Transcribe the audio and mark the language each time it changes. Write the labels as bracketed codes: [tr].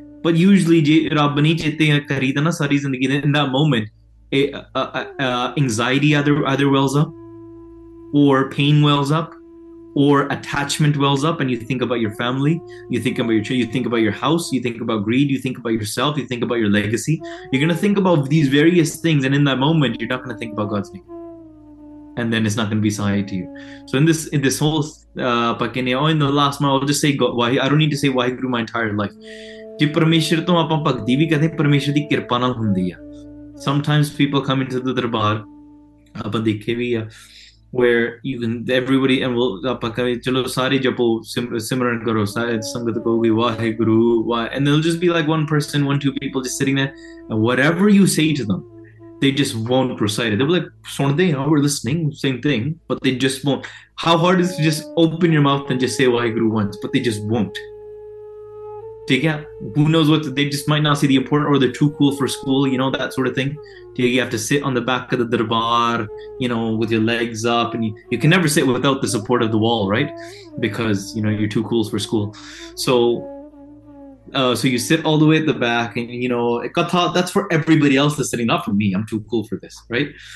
[en] But usually, in that moment, anxiety either wells up, or pain wells up, or attachment wells up, and you think about your family, you think about your children, you think about your house, you think about greed, you think about yourself, you think about your legacy. You're going to think about these various things, and in that moment, you're not going to think about God's name. And then it's not going to be sahi to you. So in this whole, in the last month, I'll just say, God, why, I don't need to say Waheguru my entire life. [pa] ਜੇ ਪਰਮੇਸ਼ਰ ਤੋਂ ਆਪਾਂ ਭਗਤੀ ਵੀ ਕਹਿੰਦੇ, ਪਰਮੇਸ਼ਰ ਦੀ ਕਿਰਪਾ ਨਾਲ ਹੁੰਦੀ ਆ। [en] sometimes people come in to the darbar, [pa] ਆਪਾਂ ਦੇਖੇ ਵੀ ਆ, [en] where even everybody, [pa] ਆਪਾਂ ਕਹੇ ਚਲੋ ਸਾਰੇ ਜਪੋ, ਸਿਮਰਨ ਕਰੋ, ਸਾਰੇ ਸੰਗਤ ਕਹੋਗੀ ਵਾਹਿਗੁਰੂ ਵਾਹ, [en] And they will just be like one person, one two people just sitting there, whatever you say to them, they just won't proceed. They will like [pa] ਸੁਣਦੇ ਆ, [en] We listening, same thing, but they just won't. How hard is just open your mouth and just say Waheguru once, but they just won't. [pa] ਠੀਕ ਹੈ, [en] who knows what, they just might not see the important or they're too cool for school, you know, that sort of thing. You have to sit on the back of the darbar, you know, with your legs up, and you can never sit without the support of the wall, right? Because, you know, you're too cool for school. So you sit all the way at the back, and you know, katha, that's for everybody else that's sitting, not for me, I'm too cool for this, right?